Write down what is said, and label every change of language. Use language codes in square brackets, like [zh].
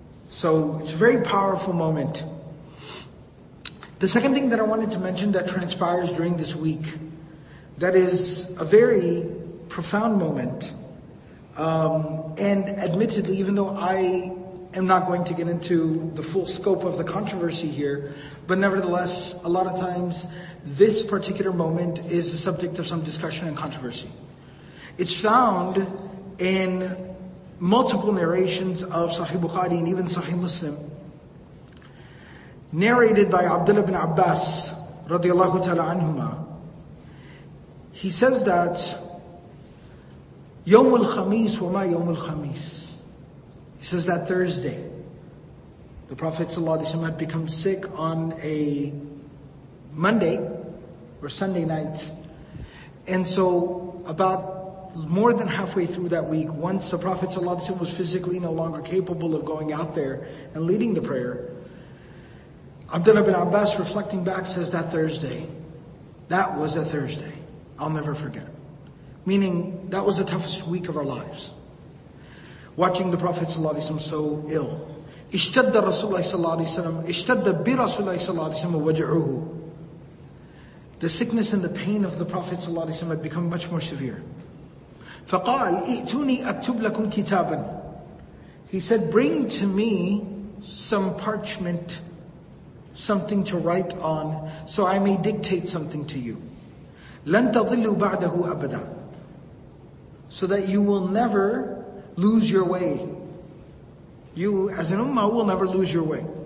[en] So it's a very powerful moment. The second thing that I wanted to mention that transpires during this week, that is a very profound moment, and admittedly, even though I am not going to get into the full scope of the controversy here, but nevertheless, a lot of times, this particular moment is the subject of some discussion and controversy. It's found in multiple narrations of Sahih Bukhari and even Sahih Muslim, narrated by Abdullah ibn Abbas, radiallahu ta'ala anhuma. He says that, [ar] يوم الخميس وما يوم الخميس. [en] He says that Thursday, the Prophet ﷺ had become sick on a Monday or Sunday night. And so about more than halfway through that week, once the Prophet ﷺ was physically no longer capable of going out there and leading the prayer, Abdullah ibn Abbas, reflecting back, says that Thursday, that was a Thursday I'll never forget. Meaning, that was the toughest week of our lives. Watching the Prophet ﷺ so ill. [ar] اشتد رسول الله صلى الله عليه وسلم اشتد وجعه. [en] The sickness and the pain of the Prophet ﷺ had become much more severe. [ar] فقال ائتوني أكتب لكم كتابا. [en] He said, bring to me some parchment, something to write on, so I may dictate something to you. [ar] لن تضلوا بعده أبدا. [en] So that you will never lose your way. You, as an ummah, will never lose your way.